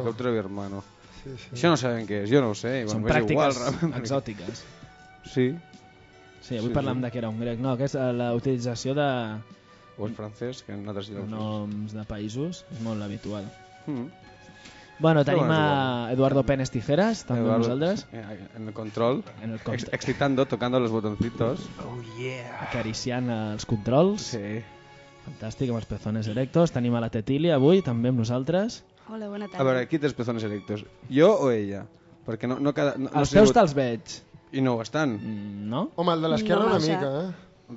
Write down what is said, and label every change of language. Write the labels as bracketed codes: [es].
[es] Helicóptero birmano. Sí, sí. [ca] Això no sabem què és, jo no ho sé. Són pràctiques exòtiques. Sí. Sí, avui parlem de que era un grec. No, que és la utilització de... O el francès, que en altres llocs... Noms de països, és molt habitual. Bueno, tenim a Eduardo Penes Tijeras, també Eduardo, nosaltres. [es] En el control, excitando, tocando los botoncitos. [en] Oh, yeah. [ca] Acariciant els controls. Sí. Fantàstic, amb els [es] pezones erectos. [ca] Tenim a la Tetília avui, també amb nosaltres. Hola, bona tarda. A veure, qui té els [es] pezones erectos? [ca] Jo o ella? Perquè no, no cada... No, els teus te'ls veig. I no ho estan? No. Home, el de l'esquerra una mica, eh?